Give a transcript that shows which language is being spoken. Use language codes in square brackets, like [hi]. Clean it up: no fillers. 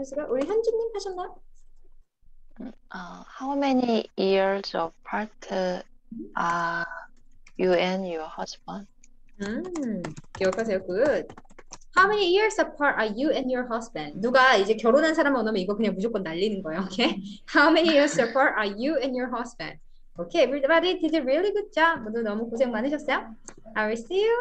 [ko] 우리 현주님 하셨나요? [en] How many years apart are you and your husband? [ko] 기억하세요. Good. [en] How many years apart are you and your husband? [ko] 누가 이제 결혼한 사람만 오면 이거 그냥 무조건 날리는 거예요. [en] Okay? How many years apart are you and your husband? Okay, everybody did a really good job. [ko] 모두 너무 고생 많으셨어요. [en] I will see you.